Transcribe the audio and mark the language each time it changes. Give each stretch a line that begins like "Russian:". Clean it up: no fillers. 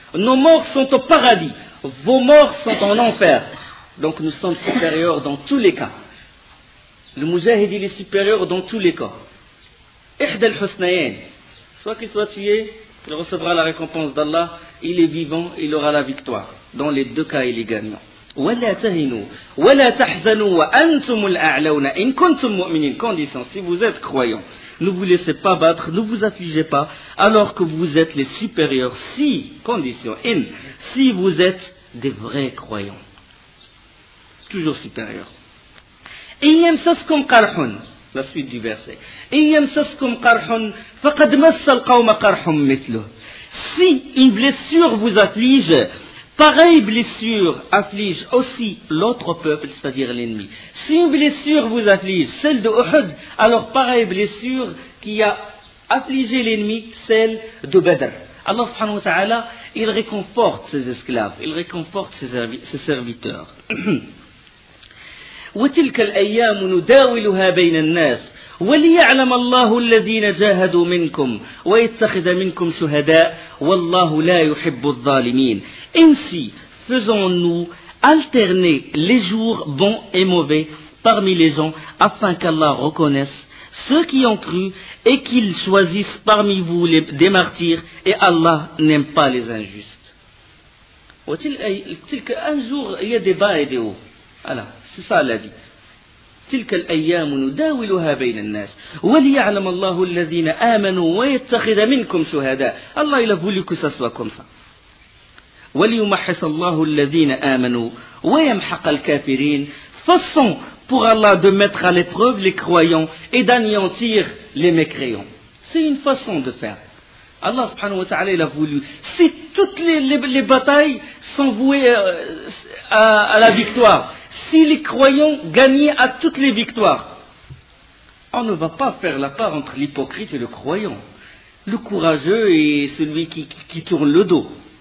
French: Nos morts sont au paradis, vos morts sont en enfer. Donc nous sommes supérieurs dans tous les cas. Le Mujahid, il est supérieur dans tous les cas.
Arabic: إحدى الحسنيين
French: soit qu'il soit tué, il recevra la récompense d'Allah, il est vivant, il aura la victoire. Dans les deux cas, il est gagnant.
Arabic: ولا تهنوا ولا تحزنوا وأنتم الأعلون إن كنتم مؤمنين.
French: Condition, si vous êtes croyants, ne vous laissez pas battre, ne vous affligez pas, alors que vous êtes les supérieurs, si, condition, in, si vous êtes des vrais croyants. Toujours supérieurs.
Arabic: يمسسكم قرح،
French: لا سويت دي فيرسي،
Arabic: إن يمسسكم قرح فقد مس القوم قرح مثله.
French: Si une blessure vous afflige, pareille blessure afflige aussi l'autre peuple, c'est-à-dire l'ennemi. Si une blessure vous afflige, celle de Uhud, alors pareille blessure qui a affligé l'ennemi, celle de Badr. Allah subhanahu wa ta'ala, il réconforte ses esclaves, il réconforte ses serviteurs.
Arabic: وتلك الأيام نداولها بين الناس وليعلم الله الذين جاهدوا منكم ويتخذ منكم شهداء والله لا يحب الظالمين.
French: Ainsi faisons-nous alterner les jours bons et mauvais parmi les gens afin qu'Allah reconnaisse ceux qui ont cru et qu'ils choisissent parmi vous des martyrs et Allah n'aime pas les injustes. وتلك un jour il y a des bas et des hauts. Voilà, c'est ça la vie.
Arabic: تلك الأيام نداولها بين الناس وليعلم الله الذين آمنوا ويتخذ منكم شهداء.
French: الله il a voulu que ça soit comme ça.
Arabic: وليمحص الله الذين آمنوا ويمحق الكافرين.
French: Façon pour Allah de mettre à l'épreuve les croyants et d'anéantir les mécréants. C'est une façon de faire. Allah subhanahu wa ta'ala il a voulu, si toutes les batailles sont vouées à la victoire, si les croyants gagnaient à toutes les victoires, on ne va pas faire la part entre l'hypocrite et le croyant, le courageux et celui qui tourne le dos.